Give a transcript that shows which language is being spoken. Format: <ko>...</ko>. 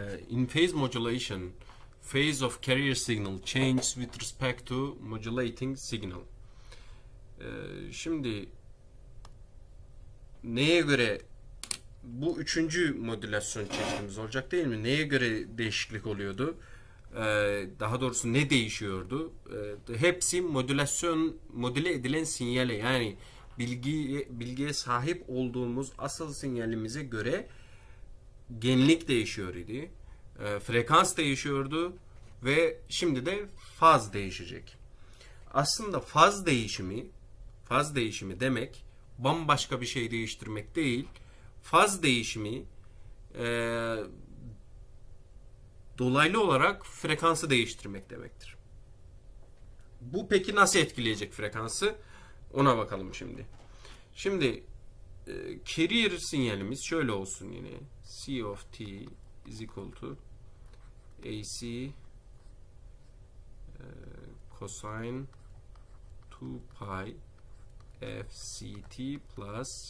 <en>In phase modulation, phase of carrier signal changes with respect to modulating signal.</en> <tr>Şimdi neye göre bu üçüncü modülasyon çeşidimiz olacak değil mi? Neye göre değişiklik oluyordu? Daha doğrusu ne değişiyordu? Hepsi modüle edilen sinyale, yani bilgiye sahip olduğumuz asıl sinyalimize göre genlik değişiyor idi. Frekans değişiyordu ve şimdi de faz değişecek. Aslında faz değişimi demek bambaşka bir şey değiştirmek değil. Faz değişimi dolaylı olarak frekansı değiştirmek demektir. Bu peki nasıl etkileyecek frekansı? Ona bakalım şimdi. Şimdi carrier sinyalimiz şöyle olsun yine.</tr> <en>C of t is equal to AC cosine 2 pi FCT plus.</en>